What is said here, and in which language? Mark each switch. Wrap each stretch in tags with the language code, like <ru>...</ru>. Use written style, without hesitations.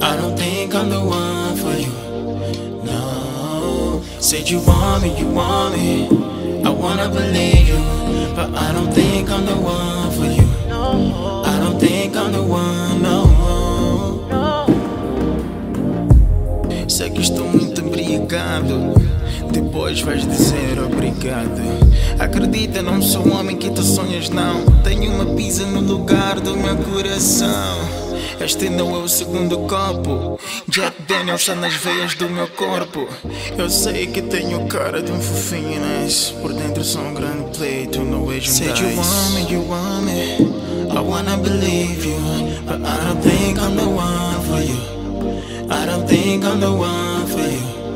<en>I don't think I'm the one for you. No. Say you want me, you want me. I wanna believe you. But I don't think I'm the one for you. No. I don't think I'm the one, no. No.</en> <pt>Sei que estou muito embriagado. Depois vais dizer obrigado. Acredita, não sou um homem que tu sonhas, não. Tenho uma pizza no lugar do meu coração. Este não é o segundo copo. Jack Daniels está nas veias do meu corpo. Eu sei que tenho cara de um fofinho, mas por dentro sou um grande pleito.</pt> <en>No way, said you want me, you want me. I wanna believe you. But I don't think I'm the one for you. I don't think I'm the one for you.</en>